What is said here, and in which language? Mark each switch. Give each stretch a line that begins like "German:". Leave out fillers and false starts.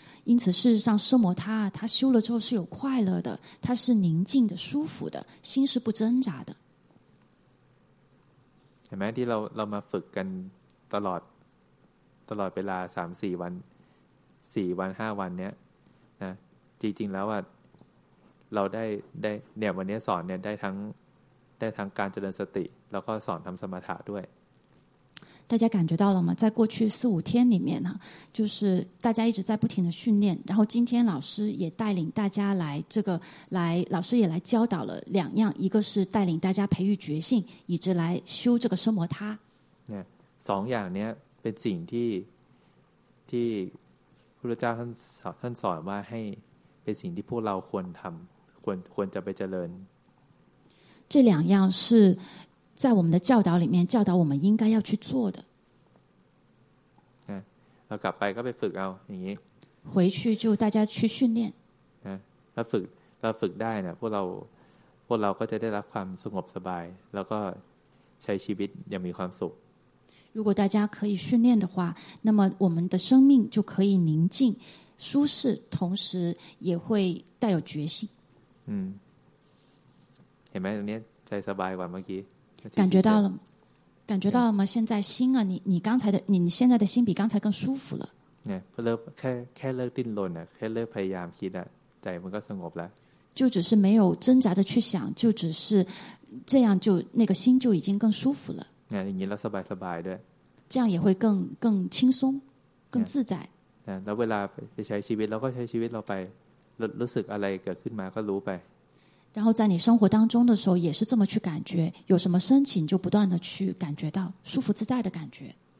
Chinese: 因此事实上奢摩他他修了之后是有快乐的他是宁静的舒服的心是不挣扎的
Thai: เห็นไหมที่เรามาฝึกกันตลอดเวลา 3-4 วัน4วัน5วันเนี้ยนะจริงๆแล้วอ่ะเราได้เนี่ยวันนี้สอนเนี่ยได้ทั้งการเจริญสติแล้วก็สอนทำสมถะด้วย
Chinese: 大家感觉到了吗？在过去四五天里面呢，就是大家一直在不停的训练。然后今天老师也带领大家来这个来，老师也来教导了两样，一个是带领大家培育觉性，以及来修这个奢摩他。
Thai: สองอย่างนี้เป็นสิ่งที่พุทธเจ้าท่านสอนว่าให้เป็นสิ่งที่พวกเราควรทำควรจะไปเจริญ。
Chinese: 这两样是。在我们的教导里面教导我们应该要去做的
Thai: เรากลับไปก็ไปฝึกเอาอย่างนี้
Chinese: 回去就大家去训练
Thai: เราฝึกได้เนี่ยพวกเราก็จะได้รับความสงบสบายแล้วก็ใช้ชีวิตอย่างมีความสุข
Chinese: 如果大家可以训练的话那么我们的生命就可以宁静舒适同时也会带有决心
Thai: เห็นไหมตรงนี้ใจสบายกว่าเมื่อกี้
Chinese: 感觉到了，感觉到了吗？现在心啊，你刚才的你现在的心比刚才更舒服了。
Thai: เนี่ยเลิกแค่เลิกดิ้นรนอ่ะแค่เลิกพยายามคิดอ่ะใจมันก็สงบแล้ว
Chinese: 就只是没有挣扎的去想，就只是这样就那个心就已经更舒服了。你了
Thai: สบายสบาย
Chinese: 的，这样也会更轻松，更自在。
Thai: 那เวลาจะใช้ชีวิตเราก็ใช้ชีวิตเราไปรู้สึกอะไรเกิดขึ้นมาก็รู้ไป。
Chinese: 然后在你生活当中的时候也是这么去感觉，有什么申请就不断的去感觉到舒服自在的感觉。